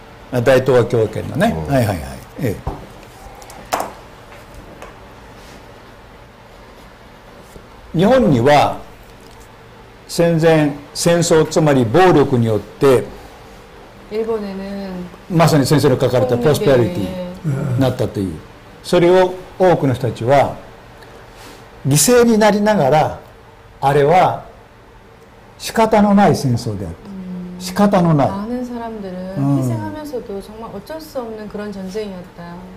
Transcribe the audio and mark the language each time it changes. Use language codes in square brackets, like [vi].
[ko] 아 대통령께서는,네, 아, 아, 아, 예. [ja] 日本には戦前戦争つまり暴力によって 일본에는まさに先生の書かれたプロスペリティになったというそれを多くの人たちは犠牲になりながらあれは仕方のない戦争であった仕方のない [ko] 많은 사람들은 희생하면서도 정말 어쩔 수 없는 그런 전쟁이었다